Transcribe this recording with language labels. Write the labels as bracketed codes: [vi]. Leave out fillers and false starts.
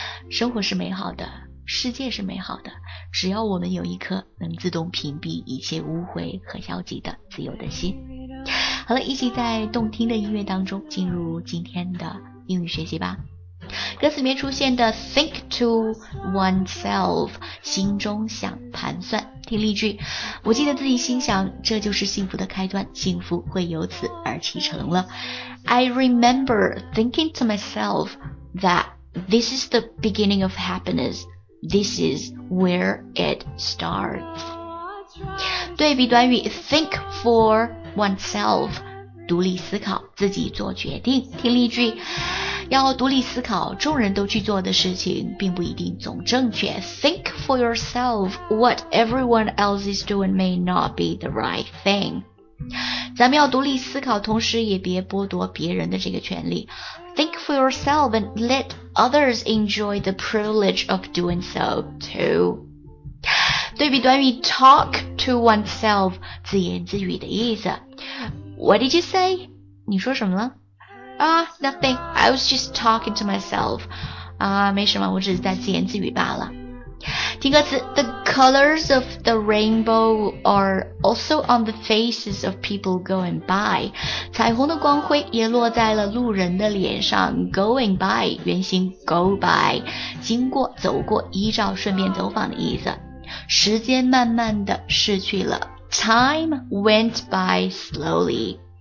[zh] 生活是美好的，世界是美好的，只要我们有一颗能自动屏蔽一切污秽和消极的自由的心。好了，一起在动听的音乐当中进入今天的英语学习吧。歌词里面出现的 think to oneself， 心中想盘算，听例句。我记得自己心想，这就是幸福的开端，幸福会由此而启程了。 [en] I remember thinking to myself that this is the beginning of happiness. This is where it starts. [zh] 对比短语 think foroneself， 独立思考，自己做决定。听例句，要独立思考，众人都去做的事情并不一定总正确。 [en] Think for yourself, what everyone else is doing may not be the right thing. [zh] 咱们要独立思考，同时也别剥夺别人的这个权利。 [en] Think for yourself and let others enjoy the privilege of doing so too. [zh] 对比短语 talk to oneself， 自言自语的意思。 [en] What did you say? [zh] 你说什么了？ [en] Nothing, I was just talking to myself. [zh] 没什么，我只是在自言自语罢了。 [en] 听歌词 The colors of the rainbow are also on the faces of people going by [zh] 彩虹的光辉也落在了路人的脸上 [en] Going by 原型 go by [zh] 经过走过依照顺便走访的意思时间慢慢的逝去了 [en] Time went by slowly